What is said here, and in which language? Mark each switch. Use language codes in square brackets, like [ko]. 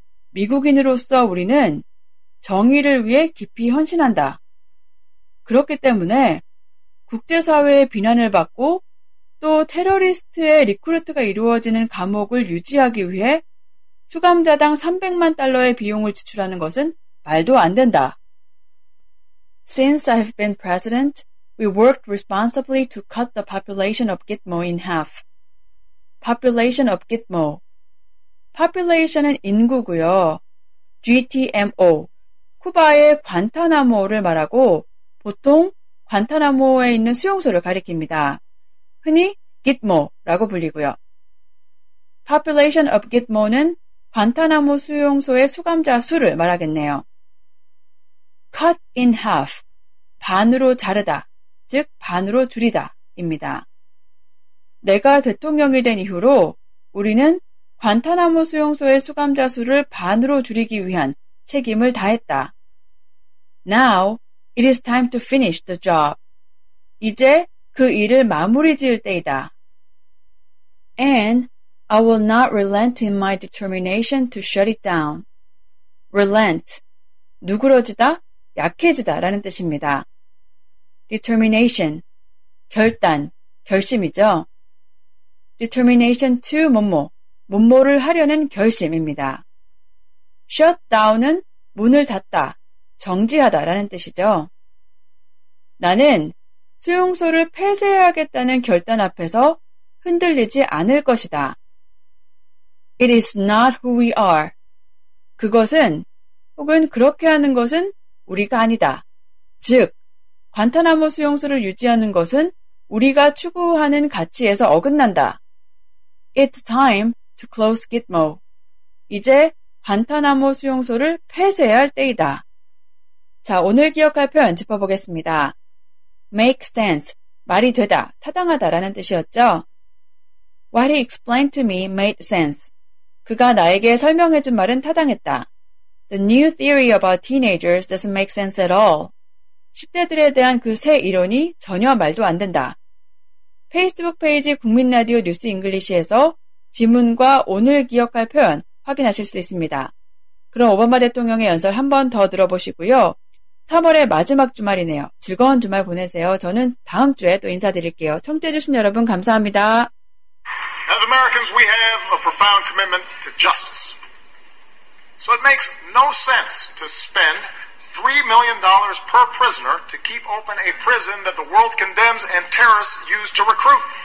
[ko] 미국인으로서 우리는 정의를 위해 깊이 헌신한다. 그렇기 때문에 국제사회의 비난을 받고 또 테러리스트의 리크루트가 이루어지는 감옥을 유지하기 위해 수감자당 300만 달러의 비용을 지출하는 것은 말도 안 된다. [en] Since I've been president, we worked responsibly to cut the population of Gitmo in half. Population of Gitmo. [ko] Population은 인구고요. GTMO, 쿠바의 관타나모를 말하고 보통 관타나모에 있는 수용소를 가리킵니다. 흔히 Gitmo라고 불리고요. Population of Gitmo는 관타나모 수용소의 수감자 수를 말하겠네요. [en] Cut in half, [ko] 반으로 자르다, 즉 반으로 줄이다, 입니다. 내가 대통령이 된 이후로 우리는 관타나모 수용소의 수감자 수를 반으로 줄이기 위한 책임을 다했다. [en] Now, It is time to finish the job. [ko] 이제 그 일을 마무리 지을 때이다. [en] And I will not relent in my determination to shut it down. [ko] Relent, 누그러지다, 약해지다 라는 뜻입니다. Determination, 결단, 결심이죠. [en] Determination to [ko] 뭐뭐, 뭐뭐를 하려는 결심입니다. Shut down은 문을 닫다, 정지하다 라는 뜻이죠. 나는 수용소를 폐쇄하겠다는 결단 앞에서 흔들리지 않을 것이다. [en] It is not who we are. [ko] 그것은 혹은 그렇게 하는 것은 우리가 아니다. 즉, 관타나모 수용소를 유지하는 것은 우리가 추구하는 가치에서 어긋난다. [en] It's time to close Gitmo. [ko] 이제 관타나모 수용소를 폐쇄할 때이다. 자, 오늘 기억할 표현 짚어보겠습니다. [en] Make sense, [ko] 말이 되다, 타당하다라는 뜻이었죠. [en] What he explained to me made sense. [ko] 그가 나에게 설명해준 말은 타당했다. [en] The new theory about teenagers doesn't make sense at all. [ko] 10대들에 대한 그 새 이론이 전혀 말도 안 된다. 페이스북 페이지 국민라디오 뉴스 잉글리시에서 지문과 오늘 기억할 표현 확인하실 수 있습니다. 그럼 오바마 대통령의 연설 한 번 더 들어보시고요. 3월의 마지막 주말이네요. 즐거운 주말 보내세요. 저는 다음 주에 또 인사드릴게요. 청취해주신 여러분 감사합니다. [en] As Americans, we have a profound commitment to justice. So it makes no sense to spend $3 million per prisoner to keep open a prison that the world condemns and terrorists use to recruit.